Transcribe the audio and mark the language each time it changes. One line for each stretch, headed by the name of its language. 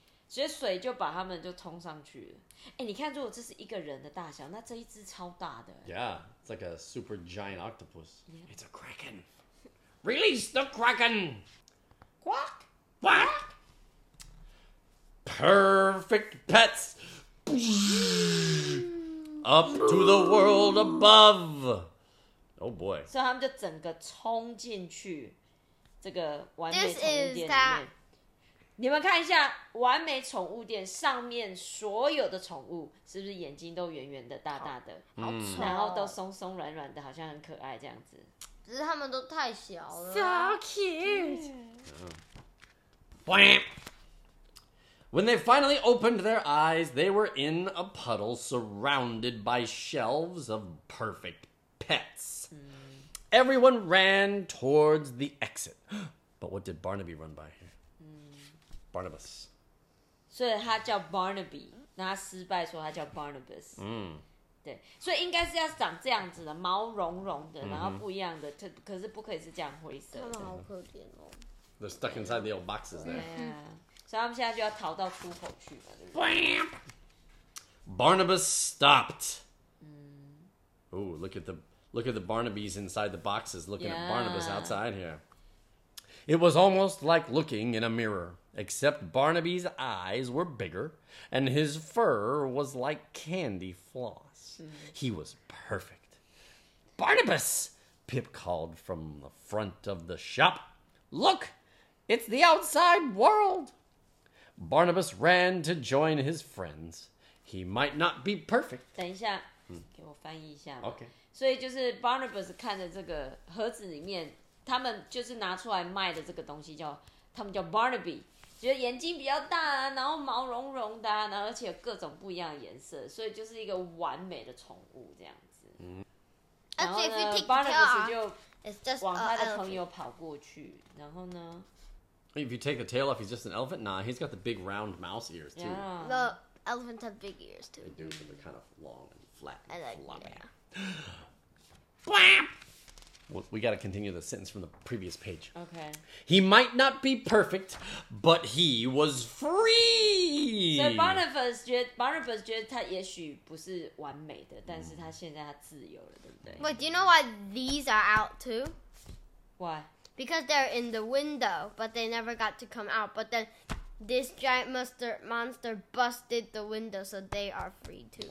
Chinese: 所以水就把他们就冲上去了。哎，你看，如果这是一个人的大小，那这一只超大的。
English: Yeah, it's like a super giant octopus. Yeah. It's a kraken. Release the kraken. Quack. Quack. Perfect pets. Up to the world above. Oh boy. So they just
Chinese: 整个冲进去这个完美宠物店里面。
English: This is that.
Chinese: 你们看一下完美宠物店上面所有的宠物是不是眼睛都圆圆的大大的好然后都松松软软的好像很可爱这样子。只是他们都太小了。
English: So cute. Wham! When they finally opened their eyes, they were in a puddle surrounded by shelves of perfect pets. Everyone ran towards the exit. But what did Barnaby run by? Barnabas. So he's called Barnaby. When he failed, he's called Barnabas.
Chinese: 对，所以应该是要长这样子的，毛茸茸的，然后不一样的。可是不可以是这样灰色的。他们好可怜哦。
English: They're stuck inside the old boxes there. Yeah.
Chinese: 所以他们现在就要逃到出口去了，对不对
English: ？Barnabas stopped. Oh, look at the Barnabys inside the boxes. Looking at Barnabas outside here. It was almost like looking in a mirror, except Barnaby's eyes were bigger, and his fur was like candy floss. Mm. He was perfect. Barnabus! Pip called from the front of the shop. Look! It's the outside world! Barnabus ran to join his friends. He might not be perfect.
Chinese: 等一下，给我翻译一下。
English: Okay.
Chinese: 所以就是 Barnabus 看着这个盒子里面，他们就是拿出来卖的这个东西叫，他们叫 Barnaby， 觉得眼睛比较大啊，然后毛茸茸的啊，然后而且有各种不一样的颜色，所以就是一个完美的宠物这样子。然后呢，Barnabus 就往他的朋友跑过去，然后呢？
English: If you take the tail off, he's just an elephant. Nah, he's got the big round mouse ears too. Yeah. The elephants have big ears too. They do, but they're kind of long and flat. And I like floppy. Yeah. Blah! We got to continue the sentence from the previous page. Okay. He might not be perfect, but he was free. So
Chinese: Barnabas 觉得 Barnabas 觉得他也许不是完美的，但是他现在他自由了，对不对？
English: But do you know why these are out too? Why? Because they're in the window, but they never got to come out. But then this giant monster busted the window, so they are free too.